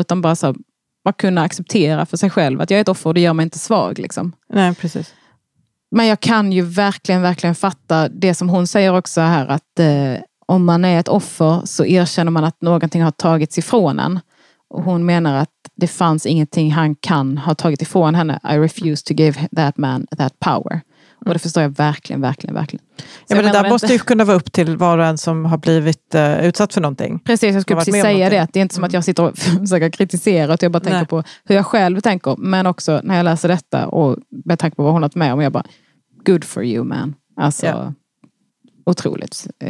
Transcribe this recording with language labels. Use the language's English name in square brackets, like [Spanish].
[Swedish] Utan bara så här, bara kunna acceptera för sig själv att jag är ett offer och det gör mig inte svag. Liksom. Nej, precis. Men jag kan ju verkligen, verkligen fatta det som hon säger också här, att om man är ett offer så erkänner man att någonting har tagits ifrån en. Och hon menar att det fanns ingenting han kan ha tagit ifrån henne. [English] I refuse to give that man that power. [Swedish] Mm. Och det förstår jag verkligen, verkligen, verkligen. Ja, men det där måste ju kunna vara upp till var och en som har blivit utsatt för någonting. Precis, jag skulle precis säga någonting. Det. Att det är inte som att jag sitter och försöker kritisera, utan jag bara tänker på hur jag själv tänker. Men också när jag läser detta och med tanke på vad hon har med om, jag bara, [English] good for you, man. [Swedish] Alltså, ja. Otroligt.